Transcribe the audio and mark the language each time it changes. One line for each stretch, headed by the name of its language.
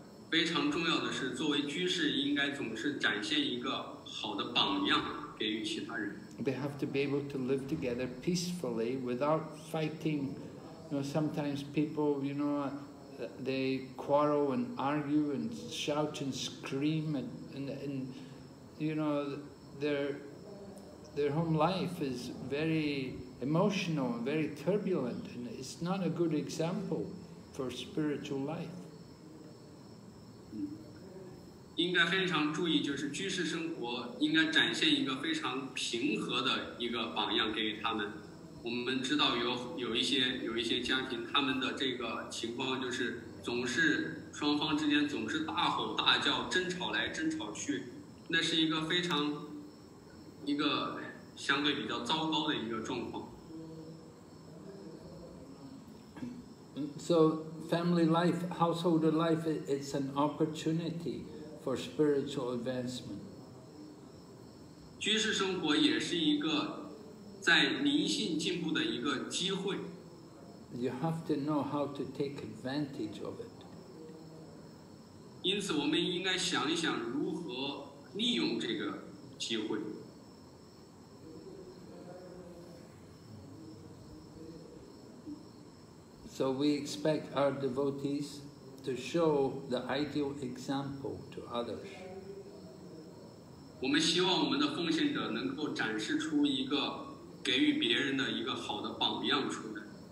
Chinese: 非常重要的是，作为居士，应该总是展现一个好的榜样，给予其他人。
English: They have to be able to live together peacefully without fighting. You know, sometimes people, you know, they quarrel and argue and shout and scream and you know, their home life is very emotional and very turbulent, and it's not a good example for spiritual life.
Chinese: 应该非常注意，就是居士生活应该展现一个非常平和的一个榜样给予他们。我们知道 有一些家庭，他们的这个情况就是总是双方之间总是大吼大叫，争吵来争吵去，那是一个非常一个相对比较糟糕的一个状况。
English: So family life, household life, it's an opportunity for spiritual advancement.
Chinese: 居士生活也是一个在灵性进步的一个机会。
English: You have to know how to take advantage of it.
Chinese: 因此我们应该想一想如何利用这个机会。
English: So we expect our devotees to show the ideal example to others.
Chinese: 我们希望我们的奉献者能够展示出一个给予别人的一个好的榜样出来。